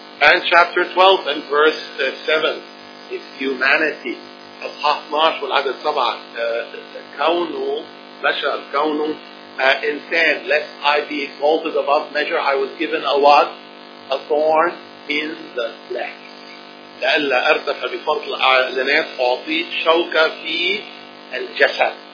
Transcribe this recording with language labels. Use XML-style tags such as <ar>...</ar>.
<en>And chapter 12 and verse 7 is humanity.</en> <ar>أصحاح 12 والعدد 7 كونه بشر كونه إنسان.</ar> <en>Lest I be exalted above measure I was given a what? A thorn in the flesh.</en> <ar>لألا أرتفع بفضل أعلانات أعطي شوكة في الجسد.</ar>